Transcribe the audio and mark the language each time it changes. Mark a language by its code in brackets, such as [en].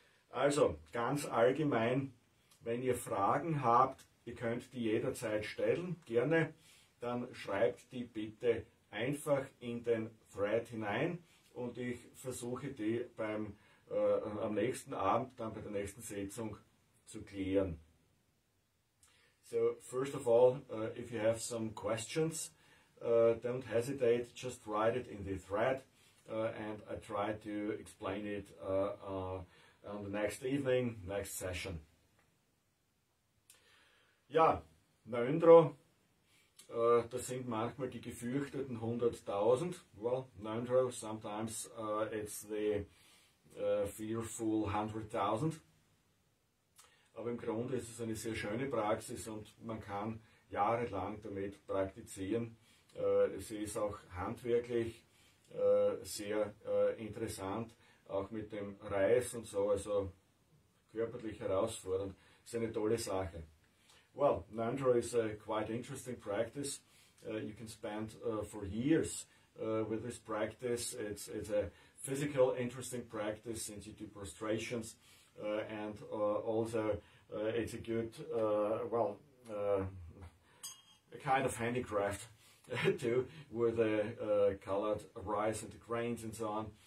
[de] Also, ganz allgemein, wenn ihr Fragen habt, ihr könnt die jederzeit stellen, gerne, dann schreibt die bitte einfach in den Thread hinein und ich versuche die am nächsten Abend, dann bei der nächsten Sitzung zu klären. [en] So, first of all, if you have some questions, don't hesitate, just write it in the thread and I try to explain it on the next evening, next session. [de] Ja, Ngondro, das sind manchmal die gefürchteten 100.000. [en] Well, Ngondro, sometimes it's the fearful 100.000. [de] Aber im Grunde ist es eine sehr schöne Praxis und man kann jahrelang damit praktizieren. Sie ist auch handwerklich sehr interessant, auch mit dem Reis und so, also körperlich herausfordernd. Ist eine tolle Sache. [en] Well, Ngondro is a quite interesting practice. You can spend for years with this practice. It's a physical interesting practice since you do prostrations. And also it's a good, a kind of handicraft too, with the colored rice and the grains and so on.